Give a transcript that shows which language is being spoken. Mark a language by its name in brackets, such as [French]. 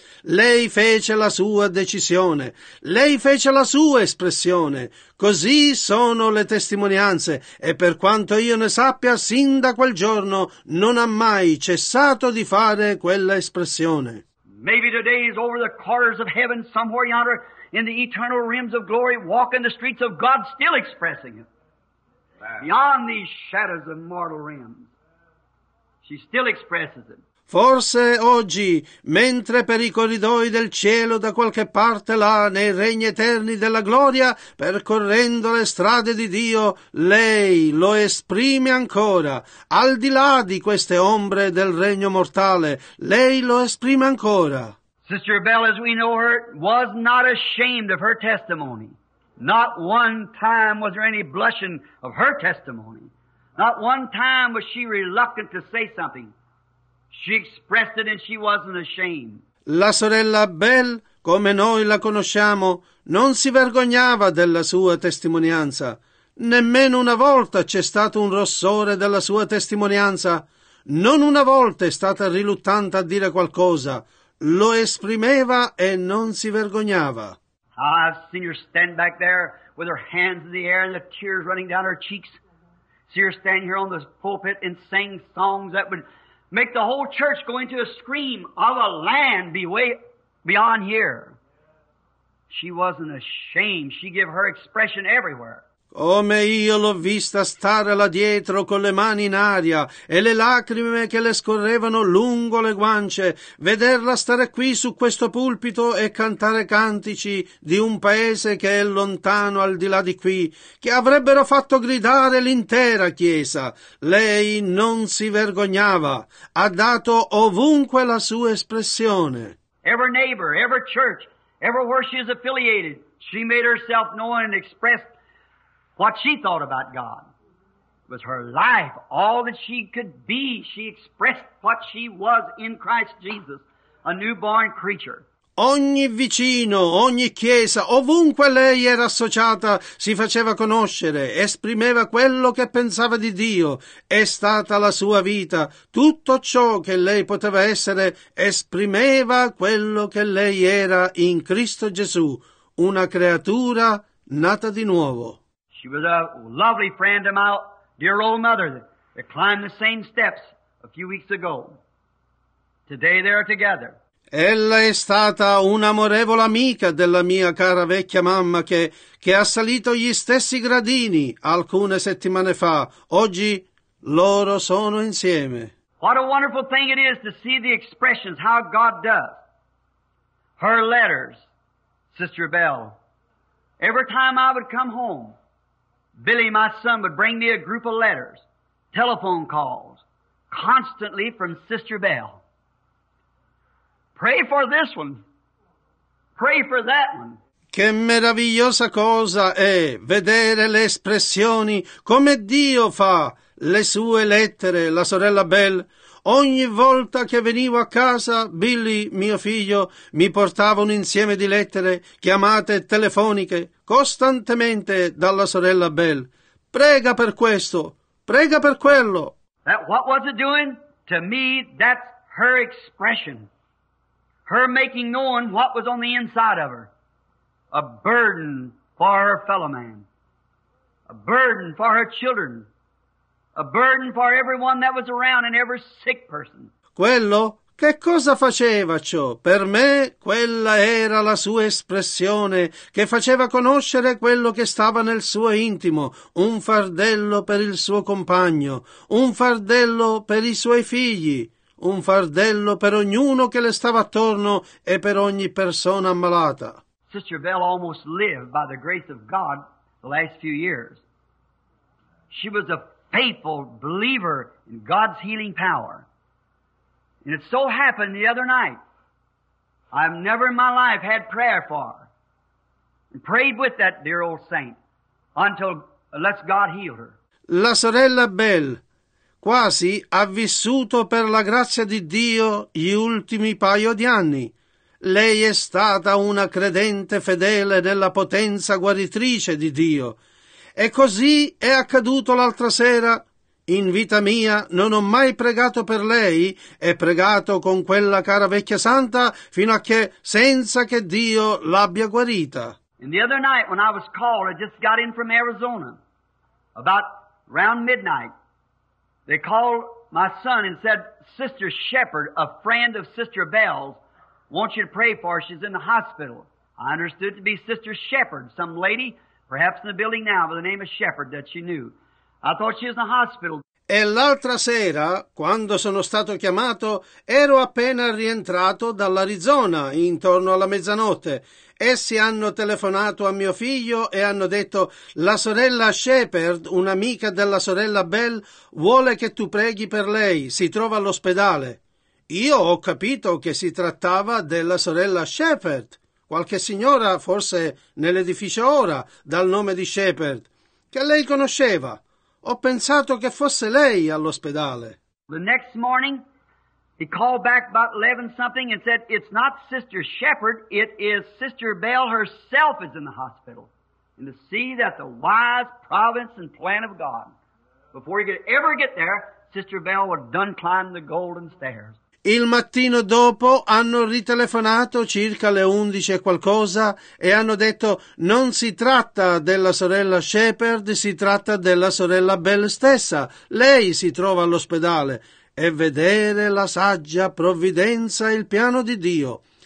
[Italian] Lei fece la sua decisione, lei fece la sua espressione, così sono le testimonianze, e per quanto io ne sappia, sin da quel giorno non ha mai cessato di fare quella espressione. [English] Maybe today is over the corners of heaven, somewhere yonder, in the eternal realms of glory, walking the streets of God, still expressing it. Beyond these shadows of mortal realms, she still expresses it. [Italian] Forse oggi, mentre per i corridoi del cielo da qualche parte là, nei regni eterni della gloria, percorrendo le strade di Dio, lei lo esprime ancora. Al di là di queste ombre del regno mortale, lei lo esprime ancora. [English] Sister Bell, as we know her, was not ashamed of her testimony. Not one time was there any blushing of her testimony. Not one time was she reluctant to say something. She expressed it and she wasn't ashamed. [Italian] La sorella Bell, come noi la conosciamo, non si vergognava della sua testimonianza. Nemmeno una volta c'è stato un rossore della sua testimonianza. Non una volta è stata riluttante a dire qualcosa. Lo esprimeva e non si vergognava. [English] I've seen her stand back there with her hands in the air and the tears running down her cheeks. See her stand here on the pulpit and sing songs that would make the whole church go into a scream of a land be way beyond here. She wasn't ashamed. She gave her expression everywhere. [Italian] Come io l'ho vista stare là dietro con le mani in aria e le lacrime che le scorrevano lungo le guance, vederla stare qui su questo pulpito e cantare cantici di un paese che è lontano al di là di qui, che avrebbero fatto gridare l'intera chiesa. Lei non si vergognava, ha dato ovunque la sua espressione. [English] Every neighbor, every church, everywhere she is affiliated, she made herself known and expressed what she thought about God. It was her life, all that she could be. She expressed what she was in Christ Jesus, a newborn creature. [Italian] Ogni vicino, ogni chiesa, ovunque lei era associata, si faceva conoscere, esprimeva quello che pensava di Dio. È stata la sua vita. Tutto ciò che lei poteva essere, esprimeva quello che lei era in Cristo Gesù, una creatura nata di nuovo. [English] She was a lovely friend of my dear old mother that climbed the same steps a few weeks ago. Today they are together. [Italian] Ella è stata un'amorevole amica della mia cara vecchia mamma che ha salito gli stessi gradini alcune settimane fa. Oggi loro sono insieme. [English] What a wonderful thing it is to see the expressions, how God does. Her letters, Sister Bell, every time I would come home, Billy, my son, would bring me a group of letters, telephone calls, constantly from Sister Bell. Pray for this one. Pray for that one. [Italian] Che meravigliosa cosa è vedere le espressioni, come Dio fa le sue lettere, la sorella Belle. Ogni volta che venivo a casa, Billy, mio figlio, mi portava un insieme di lettere, chiamate telefoniche, costantemente dalla sorella Belle. Prega per questo, prega per quello. [English] That what was it doing? To me, that's her expression. Her making known what was on the inside of her. A burden for her fellow man. A burden for her children. A burden for everyone that was around and every sick person. [Italian] Quello? Che cosa faceva ciò? Per me quella era la sua espressione, che faceva conoscere quello che stava nel suo intimo, un fardello per il suo compagno, un fardello per i suoi figli, un fardello per ognuno che le stava attorno e per ogni persona ammalata. [English] Sister Belle almost lived by the grace of God the last few years. She was a faithful believer in God's healing power. And it so happened the other night, I've never in my life had prayer for her, and prayed with that dear old saint, unless God healed her. [Italian] La sorella Belle quasi ha vissuto per la grazia di Dio gli ultimi paio di anni. Lei è stata una credente fedele nella potenza guaritrice di Dio. E così è accaduto l'altra sera. In vita mia non ho mai pregato per lei e pregato con quella cara vecchia santa fino a che senza che Dio l'abbia guarita. [English] And the other night when I was called, I just got in from Arizona, about around midnight, they called my son and said, Sister Shepherd, a friend of Sister Belle's, wants you to pray for her. She's in the hospital. I understood to be Sister Shepherd, some lady, perhaps in the building now, by the name of Shepherd that she knew. I thought she was in the hospital. [Italian] E l'altra sera, quando sono stato chiamato, ero appena rientrato dall'Arizona, intorno alla mezzanotte. Essi hanno telefonato a mio figlio e hanno detto, la sorella Shepherd, un'amica della sorella Belle, vuole che tu preghi per lei, si trova all'ospedale. Io ho capito che si trattava della sorella Shepherd, qualche signora, forse nell'edificio ora, dal nome di Shepherd, che lei conosceva. Ho pensato che fosse lei all'ospedale. [English] The next morning, he called back about 11 something and said, it's not Sister Shepherd, it is Sister Belle herself is in the hospital. And to see that the wise providence and plan of God, before he could ever get there, Sister Belle would done climb the golden stairs. [Italian] Il mattino dopo hanno ritelefonato circa le 11 e qualcosa e hanno detto non si tratta della sorella Shepherd, si tratta della sorella Belle stessa. Lei si trova all'ospedale e vedere la saggia provvidenza e il piano di Dio.